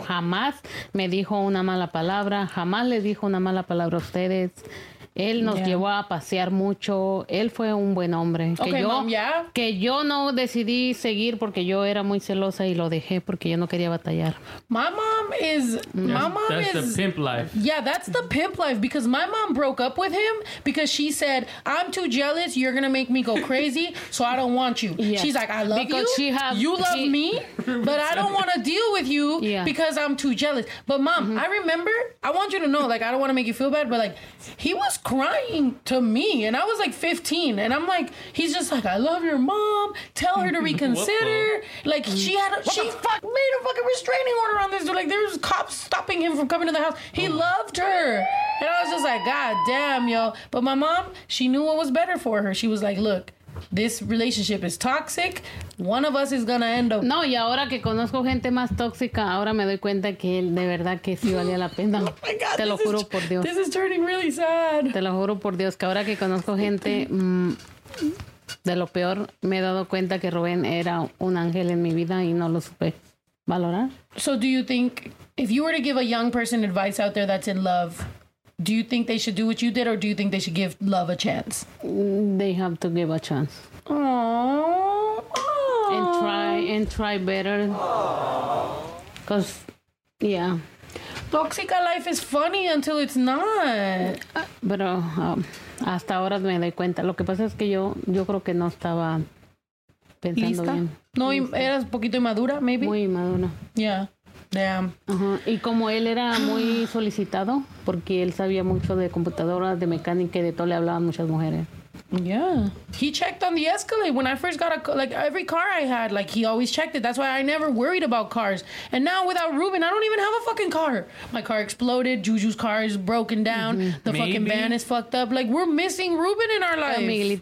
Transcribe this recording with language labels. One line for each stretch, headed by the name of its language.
Spanish: Jamás me dijo una mala palabra, jamás les dijo una mala palabra a ustedes. Él nos llevó a pasear mucho. Él fue un buen hombre.
English: Okay,
Spanish: que yo,
English: mom, yeah.
Spanish: Que yo no decidí seguir porque yo era muy celosa y lo dejé porque yo no quería batallar.
English: My mom is my mom that's is the pimp life. Yeah, that's the pimp life, because my mom broke up with him because she said, "I'm too jealous. You're gonna make me go crazy, so I don't want you." Yeah. She's like, "I love because you. She have, you love she, me, but I don't want to deal with you because I'm too jealous." But mom, I remember. I want you to know, like, I don't want to make you feel bad, but like, he was crying to me, and I was like 15, and I'm like, he's just like, "I love your mom. Tell her to reconsider." Like, she had, made a fucking restraining order on this dude. Like, there was cops stopping him from coming to the house. He loved her. And I was just like, "God damn, yo." But my mom, she knew what was better for her. She was like, "Look, this relationship is toxic. One of us is gonna end up."
Spanish: No, y ahora que conozco gente más tóxica, ahora me doy cuenta que él de verdad que sí valía la pena.
English: Oh my God,
Spanish: te lo juro por Dios.
English: This is turning really sad.
Spanish: Te lo juro por Dios que ahora que conozco gente de lo peor, me he dado cuenta que Rubén era un ángel en mi vida y no lo supe valorar.
English: So do you think, if you were to give a young person advice out there that's in love, do you think they should do what you did, or do you think they should give love a chance? They have to give a chance. Aww. And try better. Cause, yeah. Toxic life is funny until it's not.
Spanish: Pero hasta ahora me doy cuenta. Lo que pasa es que yo creo que no estaba pensando ¿lista? Bien. No, eras un poquito inmadura, maybe. Muy inmadura.
English: Yeah. Damn.
Spanish: Y como él era muy solicitado, porque él sabía mucho de computadoras, de mecánica y de todo, le hablaban muchas mujeres.
English: Yeah. He checked on the Escalade when I first got a car. Like, every car I had, like, he always checked it. That's why I never worried about cars. And now, without Ruben, I don't even have a fucking car. My car exploded. Juju's car is broken down. Mm-hmm. The fucking van is fucked up. Like, we're missing Ruben in our life.